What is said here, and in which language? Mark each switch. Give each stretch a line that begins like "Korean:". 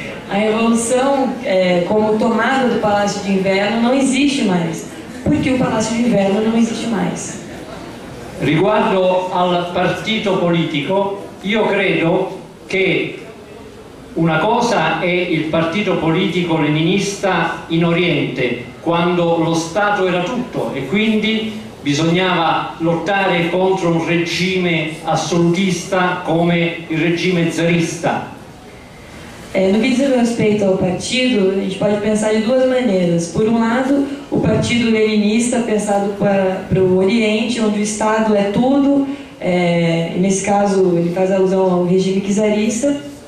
Portuguese: A revolução como tomada do palácio de inverno não existe mais, porque o palácio de inverno não existe mais.
Italian: Riguardo al partito politico, io credo che una cosa è il partito politico leninista in Oriente, quando lo Stato era tutto e quindi bisognava lottare contro un regime assolutista come il regime zarista.
Portuguese: No que diz respeito ao partido, a gente pode pensar de duas maneiras. Por um lado, o partido leninista pensado para o Oriente, onde o Estado é tudo, e nesse caso ele faz alusão ao regime czarista.